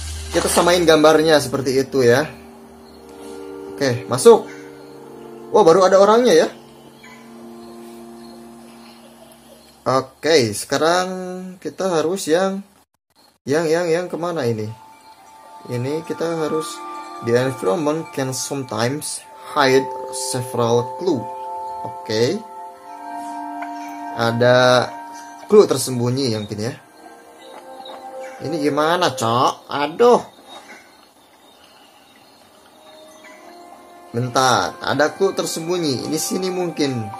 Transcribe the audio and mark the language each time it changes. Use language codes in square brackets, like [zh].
[id] Kita samain gambarnya seperti itu ya. Oke, masuk. Wah, baru ada orangnya ya. Okay, sekarang kita harus yang kemana ini? Ini kita harus [en] the environment can sometimes hide several clue. Okay. [id] Ada clue tersembunyi yang ini ya. Ini gimana, Cok? Aduh. Bentar, ada clue tersembunyi. Ini sini mungkin.